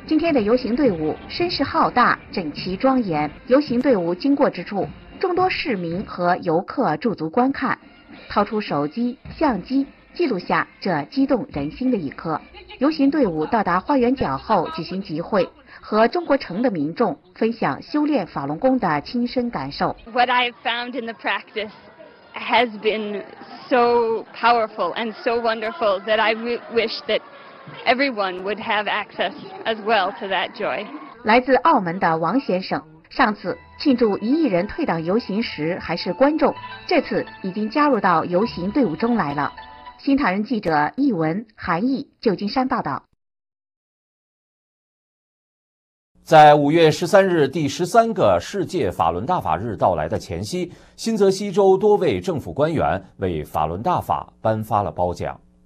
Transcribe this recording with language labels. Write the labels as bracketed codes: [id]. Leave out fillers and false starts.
[zh] 今天的游行队伍声势浩大，整齐庄严，游行队伍经过之处，众多市民和游客驻足观看，掏出手机相机记录下这激动人心的一刻。游行队伍到达花园角后举行集会，和中国城的民众分享修炼法轮功的亲身感受。 [en] What I have found in the practice has been so powerful and so wonderful that I wish that everyone would have access as well to that joy. [zh] 来自澳门的王先生，上次庆祝一亿人退党游行时还是观众，这次已经加入到游行队伍中来了。新唐人记者易文、韩毅，旧金山报道。在5月13日第13个世界法轮大法日到来的前夕，新泽西州多位政府官员为法轮大法颁发了褒奖。